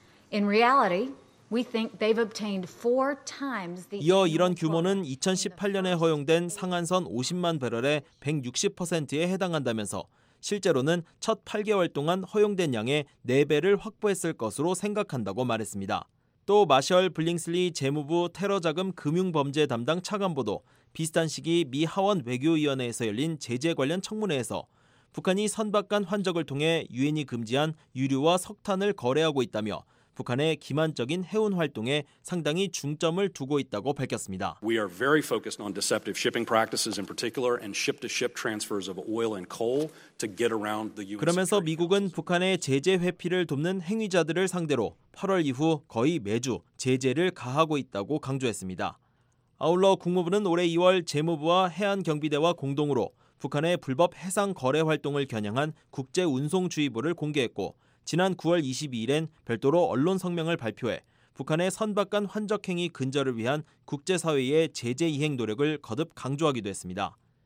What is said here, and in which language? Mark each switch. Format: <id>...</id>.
<en>In reality, we think they've obtained four times the.</en> <ko>이어 이런 규모는 2018년에 허용된 상한선 50만 배럴의 160%에 해당한다면서 실제로는 첫 8개월 동안 허용된 양의 4배를 확보했을 것으로 생각한다고 말했습니다. 또 마셜 블링슬리 재무부 테러자금 금융범죄 담당 차관보도 비슷한 시기 미 하원 외교위원회에서 열린 제재 관련 청문회에서 북한이 선박 간 환적을 통해 유엔이 금지한 유류와 석탄을 거래하고 있다며 북한의 기만적인 해운 활동에 상당히 중점을 두고 있다고 밝혔습니다.</ko> <en>We are very focused on deceptive shipping practices in particular and ship-to-ship transfers of oil and coal to get around the U.S.</en> <ko>그러면서 미국은 북한의 제재 회피를 돕는 행위자들을 상대로 8월 이후 거의 매주 제재를 가하고 있다고 강조했습니다. 아울러 국무부는 올해 2월 재무부와 해안경비대와 공동으로 북한의 불법 해상 거래 활동을 겨냥한 국제 운송 주의보를 공개했고 지난 9월 22일엔 별도로 언론 성명을 발표해 북한의 선박 간 환적 행위 근절을 위한 국제사회의 제재 이행 노력을 거듭 강조하기도 했습니다.</ko>